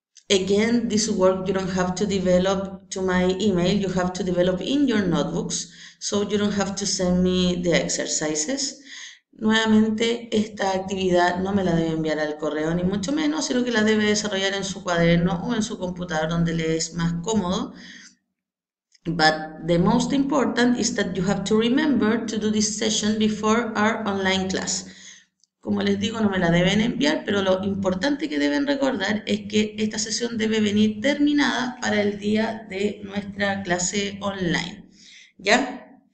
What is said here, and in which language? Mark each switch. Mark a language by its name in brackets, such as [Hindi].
[English] Again, this work you don't have to develop to my email, you have to develop in your notebooks, so you don't have to send me the exercises. [Spanish] Nuevamente, esta actividad no me la debe enviar al correo, ni mucho menos, sino que la debe desarrollar en su cuaderno o en su computador donde le es más cómodo. [English] But the most important is that you have to remember to do this session before our online class. [Spanish] Como les digo, no me la deben enviar, pero lo importante que deben recordar es que esta sesión debe venir terminada para el día de nuestra clase online. ¿Ya?